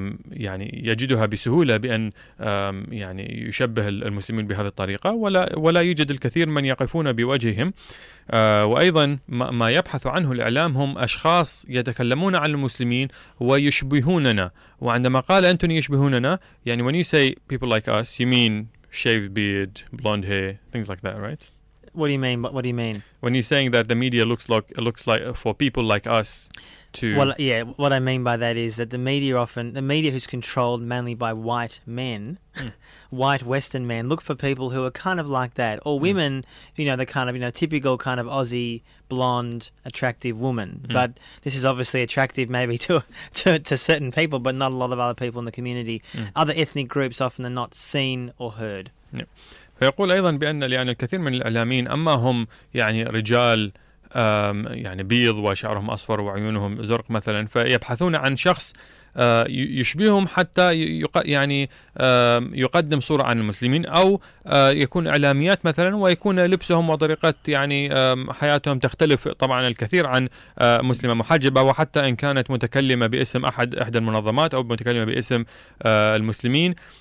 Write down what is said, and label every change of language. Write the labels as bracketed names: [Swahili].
[Arabic] يعني يجدها بسهولة بأن يعني يشبه المسلمين بهذه الطريقة ولا يوجد الكثير من يقفون بوجههم وأيضا ما يبحث عنه الإعلام هم أشخاص يتكلمون عن المسلمين ويشبهوننا وعندما قال أنتوني يشبهوننا يعني [English] when you say people like us you mean shaved beard, blonde hair, things like that, right? What do you mean? What do you mean? When you're saying that the media looks like for people like us to... Well, yeah, what I mean by that is that the media who's controlled mainly by white men, white Western men, look for people who are kind of like that. Or women, you know, the kind of, you know, typical kind of Aussie, blonde, attractive woman. Mm. But this is obviously attractive maybe to certain people, but not a lot of other people in the community. Mm. Other ethnic groups often are not seen or heard. Yeah. [Arabic] فيقول أيضا بأن يعني الكثير من الإعلاميين أما هم يعني رجال يعني بيض وشعرهم أصفر وعيونهم زرق مثلا فيبحثون عن شخص يشبههم حتى يعني يقدم صورة عن المسلمين أو يكون إعلاميات مثلا ويكون لبسهم وطريقة يعني حياتهم تختلف طبعا الكثير عن مسلمة محجبة وحتى إن كانت متكلمة باسم إحدى المنظمات أو متكلمة باسم المسلمين